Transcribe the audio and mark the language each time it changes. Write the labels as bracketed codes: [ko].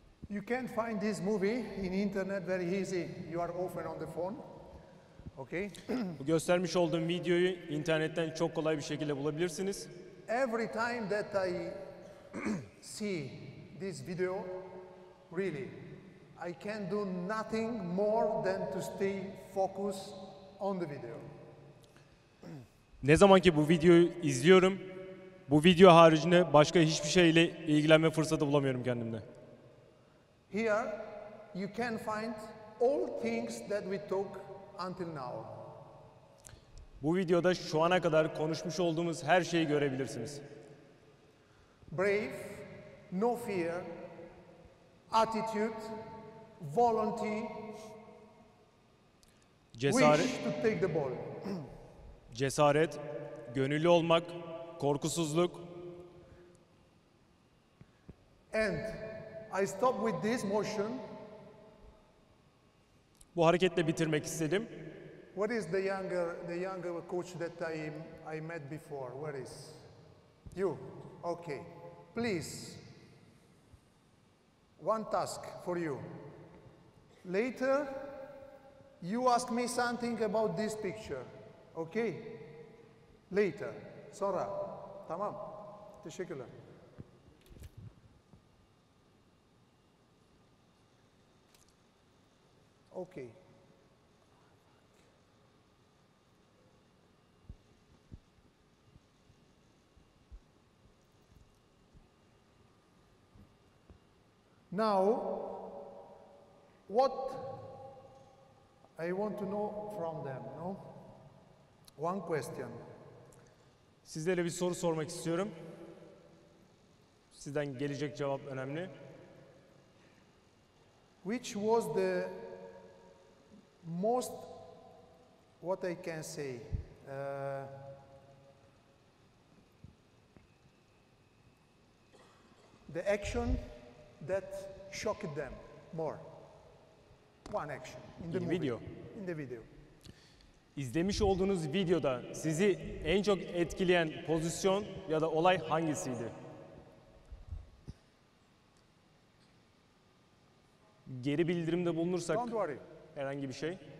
[en] You can't find this movie in internet very easy. You are often on the phone. Okay. [tr] Bu göstermiş olduğum videoyu internetten çok kolay bir şekilde bulabilirsiniz. [en] Every time that I see this video, really, I can do nothing more than to stay focused on the video. [tr] Ne zaman ki bu videoyu izliyorum, bu video haricinde başka hiçbir şeyle ilgilenme fırsatı bulamıyorum kendimde. [en] Here you can find all things that we talk until now. [tr] Bu videoda şu ana kadar konuşmuş olduğumuz her şeyi görebilirsiniz. [en] Brave, no fear, attitude, volunteer, [tr] cesaret, [en] wish to take the ball. [tr] Cesaret, gönüllü olmak, korkusuzluk. [en] And I stop with this motion. [tr] Bu hareketle bitirmek istedim. [en] What is the younger coach that I met before? Where is you? Okay. Please. One task for you. Later you ask me something about this picture. Okay? Later. [tr] Sonra. Tamam. Teşekkürler. [en] Okay. Now, what I want to know from them, no? One question. [tr] Sizlere bir soru sormak istiyorum. Sizden gelecek cevap önemli. [en] Which was the most, what I can say, the action that shocked them more? One action in the video. In the video. [tr] İzlemiş olduğunuz videoda sizi en çok etkileyen pozisyon ya da olay hangisiydi? Geri bildirimde bulunursak herhangi bir şey.